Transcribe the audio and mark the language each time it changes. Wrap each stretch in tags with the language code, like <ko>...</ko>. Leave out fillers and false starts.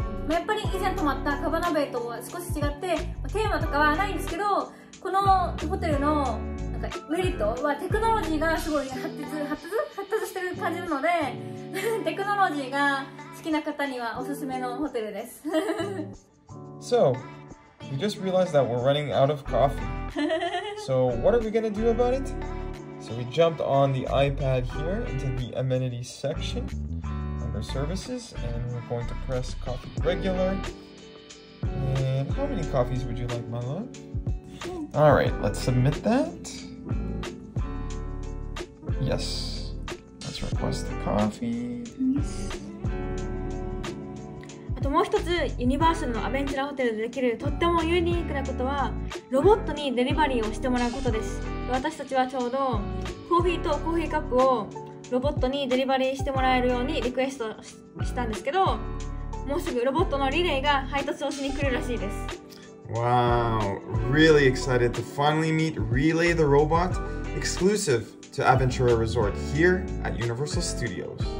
<ja>やっぱり以前泊まったカバナベイとは少し違って、テーマとかはないんですけど、このホテルのなんかメリットはテクノロジーがすごい発達してる感じるので、テクノロジーが好きな方にはおすすめのホテルです。</ja> <en>So, we just realized that we're running out of coffee. So, what are we gonna do about it? So, we jumped on the iPad here into the amenities section under services, and we're going to press coffee regular. And how many coffees would you like, my love? All right, let's submit that. Yes, let's request the coffee. Yes.</en> <ja>もう一つユニバーサルのアベンチュラホテルでできるとってもユニークなことはロボットにデリバリーをしてもらうことです。私たちはちょうどコーヒーとコーヒーカップをロボットにデリバリーしてもらえるようにリクエストしたんですけど、もうすぐロボットのリレーが配達をしに来るらしいです。</ja> <en>Wow, really excited to finally meet Relay the Robot, exclusive to Aventura Resort here at Universal Studios.</en>